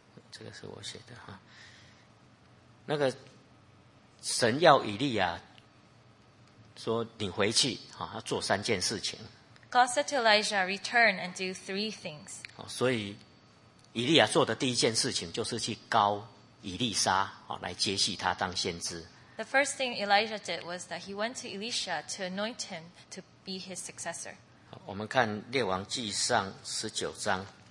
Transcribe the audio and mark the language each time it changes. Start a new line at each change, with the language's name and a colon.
Chinese: 这个是我写的哈，那个神要以利亚说你回去哈，要做三件事情。
English: God said to Elijah, "Return and do three things."
Chinese: 所以以利亚做的第一件事情就是去高以利沙啊，来接续他当先知。
English: The first thing Elijah did was that he went to Elisha to anoint him to be his successor.
Chinese: 我们看列王记上十九章。